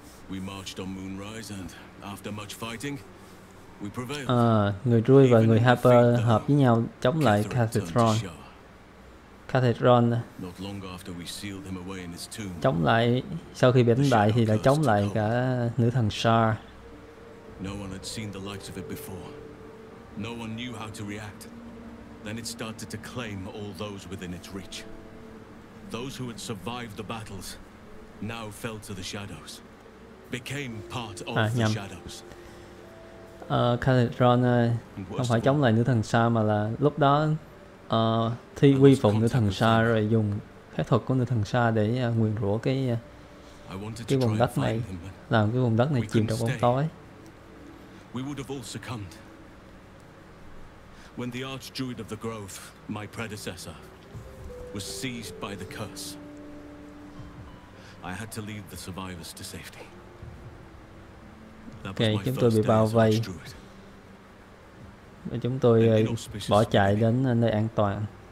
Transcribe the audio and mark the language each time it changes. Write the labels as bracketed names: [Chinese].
[English] We marched on Moonrise and after much fighting, we prevailed. [Vietnamese] À, người Druid và người Harper hợp với nhau chống lại Cathedron. [English] Cathedron not long after we sealed him away in his tomb. [Vietnamese] Chống lại, sau khi bị đánh bại thì lại chống lại cả nữ thần Shar. [English] No one had seen the likes of it before. No one knew how to react. Then it started to claim all those within its reach. Those who had survived the battles now fell to the shadows. Became part of the shadows. [Vietnamese] Cathedron không phải chống lại nữ thần Sa, mà là lúc đó thi quy phụng nữ thần Sa rồi dùng phép thuật của nữ thần Sa để nguyền rủa cái vùng đất này, làm cái vùng đất này chìm trong bóng tối. [English] We would have all succumbed. When the Archdruid of the Grove, my predecessor, was seized by the curse, I had to lead the survivors to safety. [Vietnamese] Ok, chúng tôi bị bao vây. Và chúng tôi bỏ chạy đến nơi an toàn.